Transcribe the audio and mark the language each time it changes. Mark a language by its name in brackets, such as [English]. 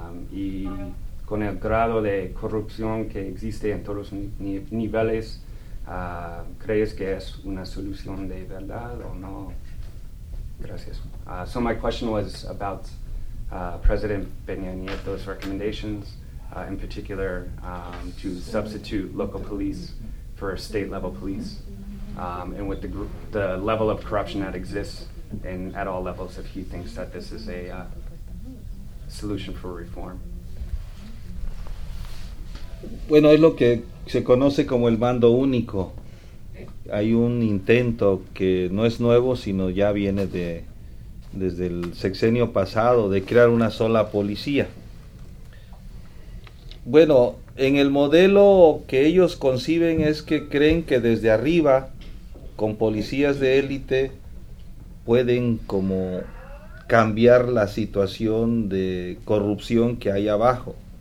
[Spanish] Y con el grado de corrupción que existe en todos los niveles, ¿crees que es una solución de verdad o no? Gracias. [English] So my question was about President Peña Nieto's recommendations, in particular to substitute local police for state-level police, and with the level of corruption that exists in at all levels, if he thinks that this is a solution for reform. [Spanish] Bueno, es lo que se conoce como el mando único. Hay un intento que no es nuevo, sino ya viene desde el sexenio pasado, de crear una sola policía. Bueno, en el modelo que ellos conciben es que creen que desde arriba, con policías de élite, pueden como cambiar la situación de corrupción que hay abajo.